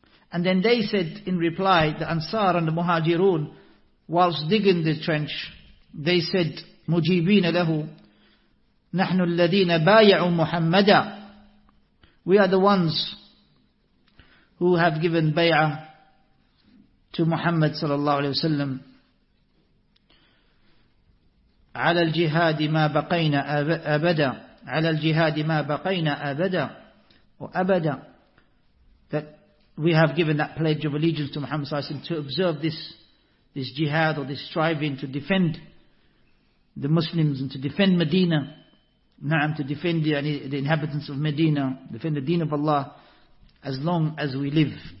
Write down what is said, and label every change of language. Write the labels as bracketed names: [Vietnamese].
[English] And then they said in reply, the Ansar and the Muhajirun, whilst digging the trench, they said, [Arabic] مجيبين له, نحن الذين بايعوا محمدا. [English] We are the ones who have given bay'ah to Muhammad sallallahu alayhi wa sallam. [Arabic] على الجهاد ما بقينا أبدا. عَلَى الْجِهَادِ مَا بَقَيْنَا أَبَدًا وَأَبَدًا. [English] That we have given that pledge of allegiance to Muhammad sallallahu alayhi wa sallam, to observe this jihad, or this striving to defend the Muslims and to defend Medina. Na'am, to defend the inhabitants of Medina, defend the deen of Allah as long as we live.